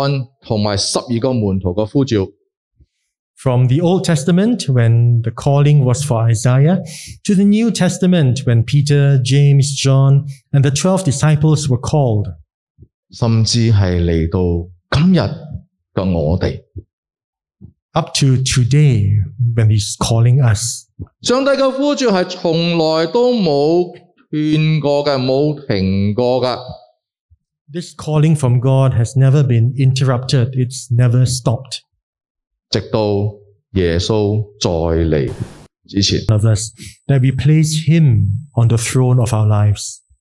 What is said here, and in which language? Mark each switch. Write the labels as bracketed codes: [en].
[zh] 从旧约对以赛亚先知的呼召，一直来到新约对彼得、雅各、约翰同埋十二个门徒的呼召。 [en] From the Old Testament, when the calling was for Isaiah, to the New Testament, when Peter, James, John, and the 12 disciples were called. [zh] 甚至是来到今日的我们, [en] up to today, when he's calling us. [zh] 上帝的呼召是从来都没有断过的, [en] this calling from God has never been interrupted. It's never stopped. [zh] 直到 耶稣再来之前, [en] of us, that we place him on the throne of our lives.